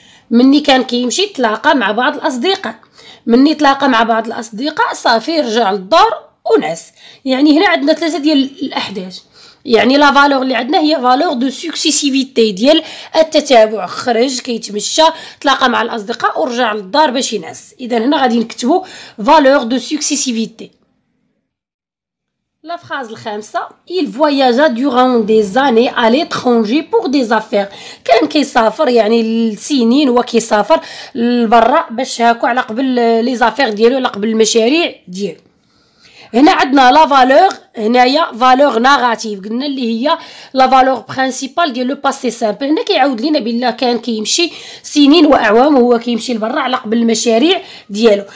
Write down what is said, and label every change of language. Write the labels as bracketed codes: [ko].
[ar] مني كان كيمشي تلاقى مع بعض الاصدقاء، مني تلاقى مع بعض الاصدقاء صافي رجع للدار ونعس. يعني هنا عندنا ثلاثه ديال الاحداث، يعني لا فالور اللي عندنا هي [fr] فالور دو سوكسيسيفيتي [ar] ديال التتابع. خرج كيتمشى تلاقى مع الاصدقاء ورجع للدار باش ينعس. اذا هنا غادي نكتبوا [fr] فالور دو سوكسيسيفيتي. La phrase la khamsa, il voyagea durant des années à l'étranger pour des affaires. [ar] كان كيسافر يعني السنين هو كيسافر لبرا باش هاكو على قبل [fr] لي زافير [ar] ديالو، على قبل المشاريع ديالو. هنا عندنا لا فالور، هنايا [fr] فالور ناراتيف [ar] قلنا اللي هي [fr] لا فالور برينسيبال [ar] ديال [fr] لو باسي سامبل. [ar] هنا كيعاود لينا بالله كان كيمشي سنين واعوام وهو كيمشي لبرا على قبل المشاريع ديالو.